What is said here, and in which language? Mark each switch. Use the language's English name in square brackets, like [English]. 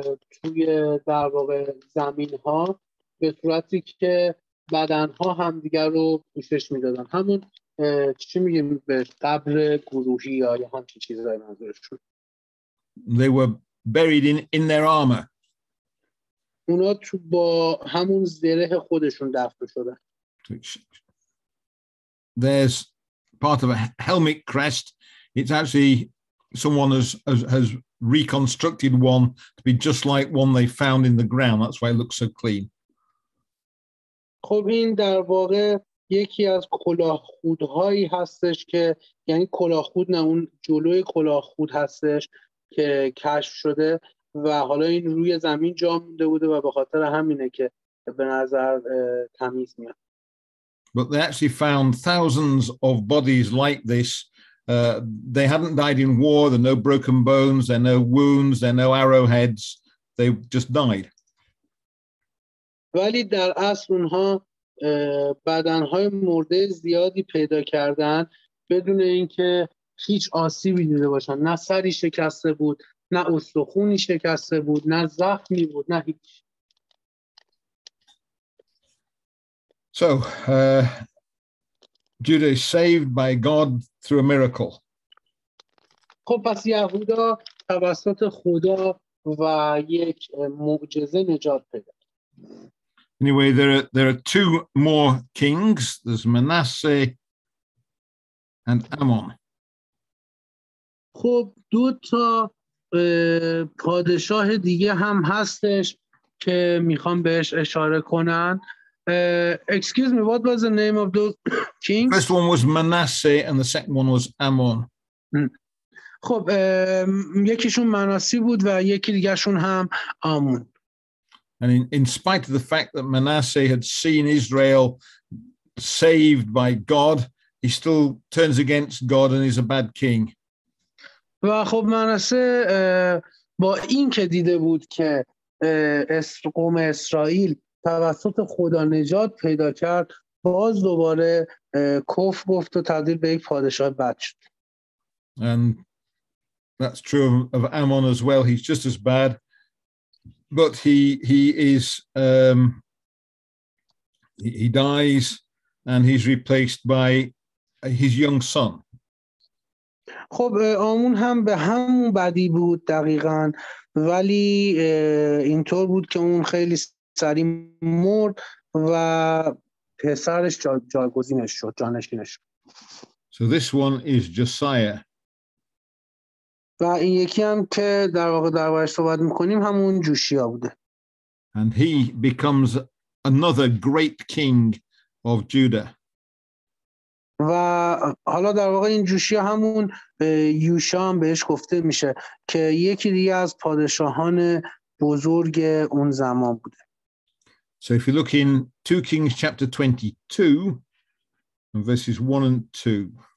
[Persian] توی در واقع زمین ها به صورتی که بدن ها همدیگر رو پوشش میدادن، همون چی میگیم به قبر گروهی یا همچی چیزای منظورشون. [English] They were buried in their armor. [Persian] اونا تو با همون زره خودشون دفن شدن. [English] There's part of a helmet crest. It's actually someone has reconstructed one to be just like one they found in the ground. That's why it looks so clean. [Persian] خب این در واقع یکی از کلاهخودهایی هستش که یعنی کلاهخود نه اون جلوی کلاهخود هستش که کشف شده و حالا این روی زمین جا مونده بوده و به خاطر همینه که به نظر تمیز میاد. [English] But they actually found thousands of bodies like this. They hadn't died in war. There are no broken bones. There are no wounds. There are no arrowheads. They just died. [Persian] ولی در اصل اونها بدنهای مرده زیادی پیدا کردن بدون اینکه هیچ آسیبی دیده باشن. نه سری شکسته بود، نه استخونی شکسته بود، نه زخمی بود، نه هیچ. [English] So, Judah is saved by God through a miracle. [Persian] خب پس یهودا توسط خدا و یک معجزه نجات پیدا. [English] Anyway, there are two more kings. There's Manasseh and Amon. [Persian] خب دو تا پادشاه دیگه هم هستش که میخوام بهش اشاره کنن. [English] Excuse me, what was the name of those kings? First one was Manasseh and the second one was Amon. [Persian] خب یکیشون مناسی بود و یکی دیگه شون هم آمون. [English] And in spite of the fact that Manasseh had seen Israel saved by God, he still turns against God and is a bad king. [Persian] و خب منسه با این که دیده بود که قوم اسرائیل توسط خدا نجات پیدا کرد، باز دوباره کفر گفت و تبدیل به یک پادشاه بد شد. [English] And that's true of Amon as well. He's just as bad. But he is he dies and he's replaced by his young son. [Persian] خب آمون هم به همون بدی بود دقیقاً، ولی اینطور بود که اون خیلی سریع مرد و پسرش جایگزینش شد، جانشینش. [English] So this one is Josiah. [Persian] و این یکی هم که در واقع دربارش صحبت میکنیم همون جوشیا بوده. [English] And he becomes another great king of Judah. [Persian] و حالا در واقع این جوشیا همون یوشا هم بهش گفته میشه که یکی دیگه از پادشاهان بزرگ اون زمان بوده. [English] So if you look in 2 Kings chapter 22 verses 1 and 2.